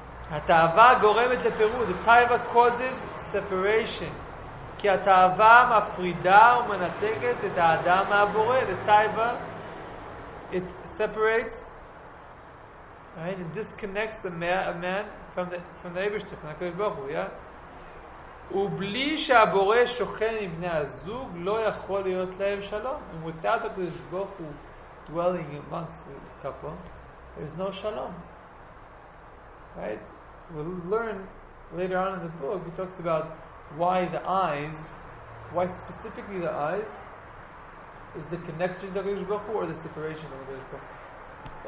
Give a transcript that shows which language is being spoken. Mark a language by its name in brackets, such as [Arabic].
[Hebrew] התאווה גורמת לפירוד, [English] the taiva causes separation. [Hebrew] כי התאווה מפרידה ומנתקת את האדם מהבורא, [English] the taiva, it separates, right, it disconnects a man from the Eibishter, from the Kodesh Baruch Hu, yeah? [Hebrew] ובלי שהבורא שוכן עם בני הזוג לא יכול להיות להם שלום. [English] And without הקדוש ברוך הוא dwelling amongst the couple, there is no shalom. Right? We'll learn later on in the book, he talks about why the eyes, why specifically the eyes, is the connection to the Kadosh Baruch Hu or the separation of the Kadosh Baruch Hu?